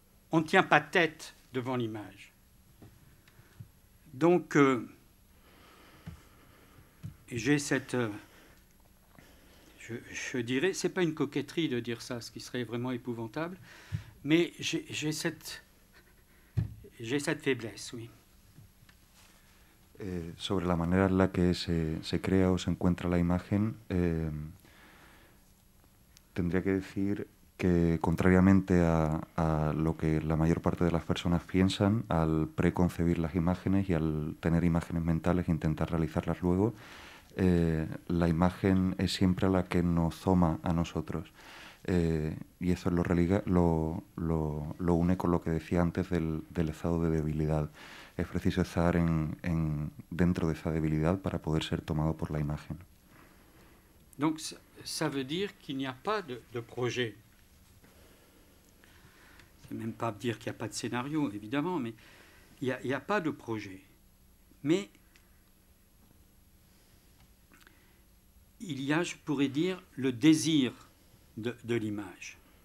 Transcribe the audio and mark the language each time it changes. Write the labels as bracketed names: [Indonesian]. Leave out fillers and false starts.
[French] On ne tient pas tête devant l'image. Donc, j'ai cette... Je dirais, c'est pas une coquetterie de dire ça, ce qui serait vraiment épouvantable, mais j'ai cette faiblesse, oui. [Spanish] Sobre la manera en la que se crea o se encuentra la imagen, tendría que decir que, contrariamente a lo que la mayor parte de las personas piensan, al preconcebir las imágenes y al tener imágenes mentales e intentar realizarlas luego, la imagen es siempre la que nos toma a nosotros. Y eso lo une con lo que decía antes del estado de debilidad. Es preciso estar dentro de esa debilidad para poder ser tomado por la imagen. [French] Donc, ça veut dire qu'il n'y a pas de projet. C'est même pas dire qu'il n'y a pas de scénario, évidemment, mais il n'y a pas de projet. Mais il y a, je pourrais dire, le désir de l'image.